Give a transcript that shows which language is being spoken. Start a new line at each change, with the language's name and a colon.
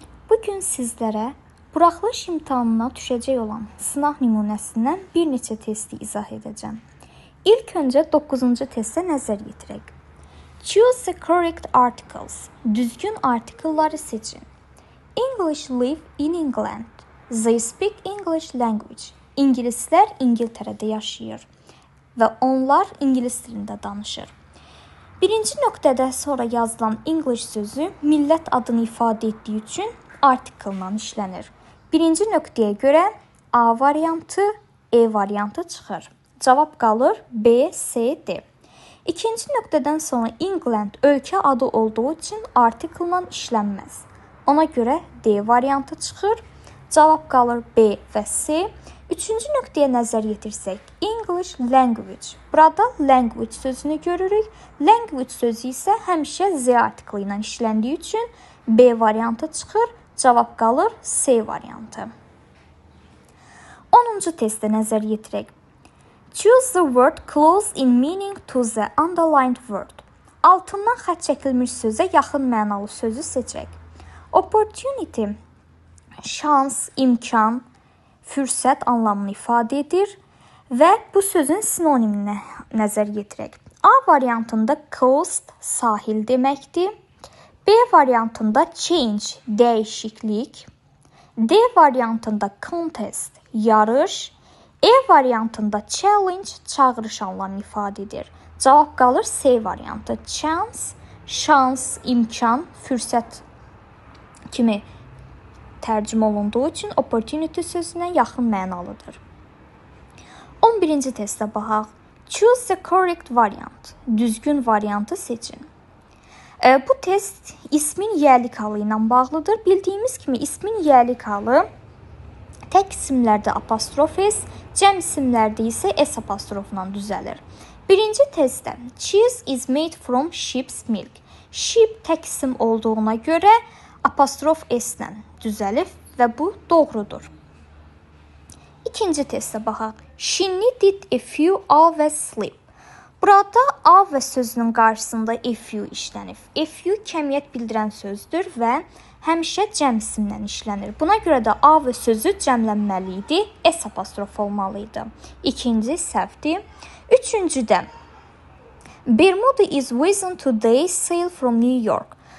Azerbaijani: Bugün sizlərə buraxılış imtahanına düşəcək olan sınaq nümunəsindən bir neçə testi izah edəcəm. İlk öncə 9-cu testə nəzər yetirək.
English: Choose the correct articles.
Azerbaijani: Düzgün artikılları seçin.
English: English live in England. They speak English language.
Azerbaijani: İngilislər İngiltərədə yaşayır və onlar ingilis dilində danışır. Birinci nöqtədə sonra yazılan English sözü millət adını ifadə etdiyi üçün article-la işlənir. Birinci nöqtəyə görə A variantı, E variantı çıxır. Cavab qalır B, C, D. İkinci nöqtədən sonra England ölkə adı olduğu üçün article-la işlənməz. Ona görə D variantı çıxır. Cavab qalır B və C. Üçüncü nöqtəyə nəzər yetirsək, English language. Burada language sözünü görürük. Language sözü isə həmişə Z artikli ilə işləndiyi üçün B variantı çıxır, cavab qalır C variantı. 10-cu testə nəzər yetirək.
English: Choose the word close in meaning to the underlined word.
Azerbaijani: Altından xətt çəkilmiş sözə yaxın mənalı sözü seçək. Opportunity, şans, imkan, fürsət anlamını ifadə edir və bu sözün sinonimini nəzər yetirək. A variantında coast, sahil deməkdir. B variantında change, dəyişiklik. D variantında contest, yarış. E variantında challenge, çağırış anlamını ifadə edir. Cavab qalır C variantı. Chance, şans, imkan, fürsət kimi tərcüm olunduğu üçün opportunity sözünə yaxın mənalıdır. 11-ci testə baxaq.
English: Choose the correct variant.
Azerbaijani: Düzgün variantı seçin. Bu test ismin yəlik halı ilə bağlıdır. Bildiyimiz kimi ismin yəlik halı tək isimlərdə apostrof s, cəm isimlərdə isə s apostrofla düzəlir. Birinci testdə
English: cheese is made from sheep's milk.
Azerbaijani: Sheep tək isim olduğuna görə apostrof s-lə düzəlib və bu doğrudur. İkinci testə baxaq.
English: She needed a few hours sleep.
Azerbaijani: Burada a və sözünün qarşısında a few işlənib. A few kəmiyyət bildirən sözdür və həmişə cəm isimlə işlənir. Buna görə də a və sözü cəmlənməli idi, s apostrof olmalı idi. İkinci səhvdir. Üçüncüdə
English: Bermuda is within today's sail from New York.